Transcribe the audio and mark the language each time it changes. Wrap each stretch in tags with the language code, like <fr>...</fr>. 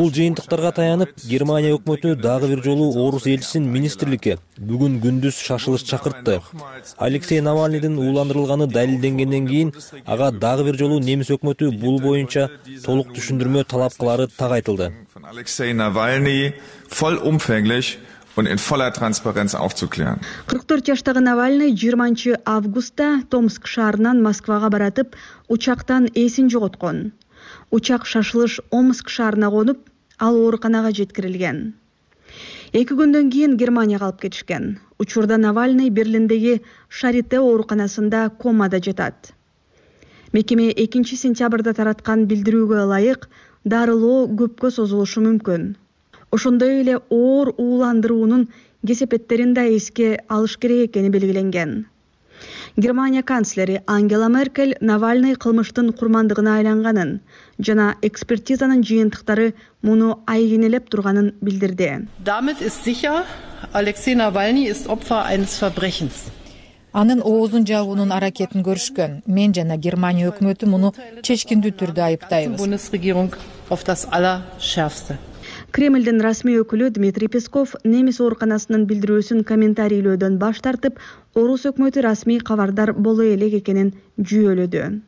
<ky>Бул жыйынтыктарга таянып, Германия өкмөтү дагы бир жолу орус элчисин министрликке бүгүн күндүз шашылыш чакыртты. Алексей Навальныйдын ууландырылганы далилденгенден кийин ага дагы бир жолу немис өкмөтү бул боюнча толук түшүндүрмө талап кылары так айтылды.</ky> <de>Алексей Навальный vollumfänglich und in voller Transparenz aufzuklären.</de> <ky>44 жаштагы Навальный 20-августта Томск шаарынан Москвага баратып, учактан эсин жоготкон. Учак шашылыш Омск шаарына конуп, ал ооруканага жеткирилген. 2 күндөн кийин Германияга алып кетишкен. Учурда Навальный Берлиндеги Шарите ооруканасында комада жатат. Мекеме 2-сентябрда тараткан билдирүүгө ылайык, дарылоо көпкө созулушу мүмкүн. Ошондой эле оор ууландыруунун кесепеттерин да эске алыш керек экени белгиленген. Германия канцлери Ангела Меркель Навальный кылмыштын курмандыгына айланганын жана экспертизанын жыйынтыктары муну айгинелеп турганын билдирди.</ky> <de>Damit ist sicher, Алексей Навальный ist Opfer eines Verbrechens.</de> <ky>Анын оозун жабуунун аракетин көрүшкөн. Мен жана Германия өкмөтү муну чечкиндүү түрдө айыптайбыз. Кремльдин расмий өкүлү Дмитрий Песков немис ооруканасынын билдирүүсүн комментарийлөөдөн баш тартып, орус өкмөтү расмий кабардар боло элек экенин жүйөлөдү.</ky>